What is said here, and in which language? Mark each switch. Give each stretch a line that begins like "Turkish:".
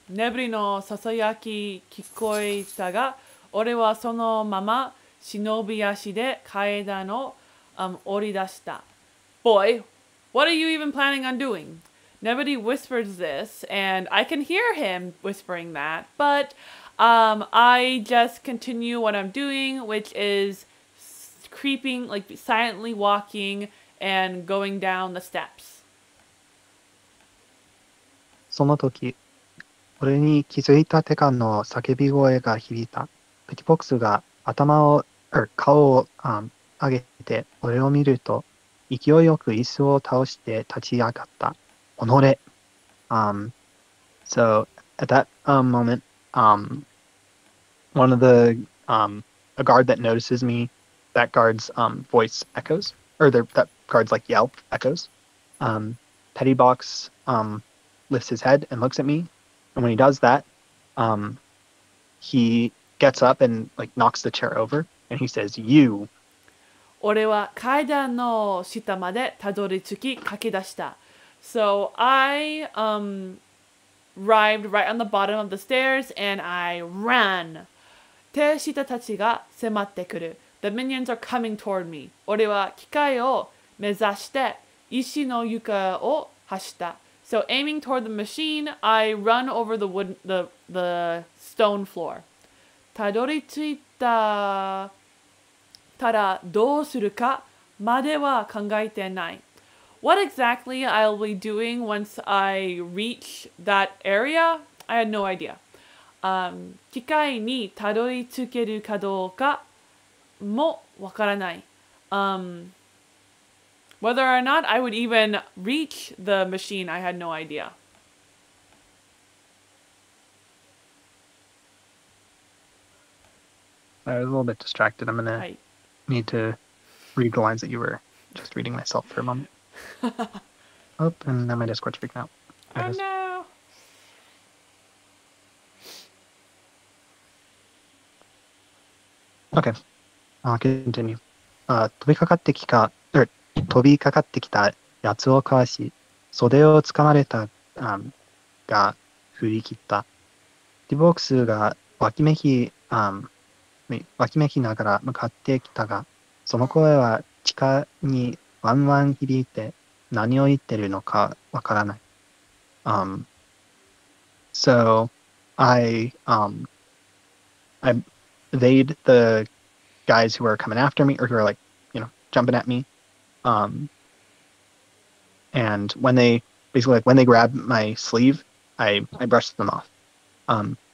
Japanese: ネブリのささやき聞こえたが、俺はそのまま忍び足で階段を降り出した。
English: Boy, what are you even planning on doing? Nobody whispers this, and I can hear him whispering that, but I just continue what I'm doing, which is creeping, like silently walking and going down the steps.
Japanese: その時、俺に気づいた手下の叫び声が響いた。ペティボックスが頭を、顔を、上げて俺を見ると、勢いよく椅子を倒して立ち上がった。
English: So at that moment, one of the a guard that notices me, that guard's voice echoes, or that guard's like yell echoes. Petty Box lifts his head and looks at me, and when he does that, he gets up and like knocks the chair over, and he says, "You."
Japanese: 俺は階段の下までたどり着き駆け出した。
English: So I arrived right on the bottom of the stairs and I ran.
Japanese: 手下たちが迫ってくる。
English: The minions are coming toward me.
Japanese: 俺は機械を目指して石の床を走った。
English: So aiming toward the machine, I run over the wood, the stone floor.
Japanese: たどり着いたたらどうするかまでは考えてない。
English: What exactly I'll be doing once I reach that area? I had no idea.
Japanese: 機械にたどり着けるかどうかもわからない。
English: Whether or not I would even reach the machine, I had no idea. I was a little bit distracted. I'm gonna need to read the lines that you were just reading myself for a moment. Oh, and now my Discord's freaking out. Oh no! Okay, I'll continue.
Japanese: 飛びかかってきた、飛びかかってきたやつをかわし、袖をつかまれた、が振り切った。ディボックスが脇めきながら向かってきたが、その声は地下にワンワン響いて、何を言ってるのかわからない。
English: So, I evade the guys who are coming after me, or who are like, you know, jumping at me. And when they, basically like, when they grab my sleeve, I brush them off.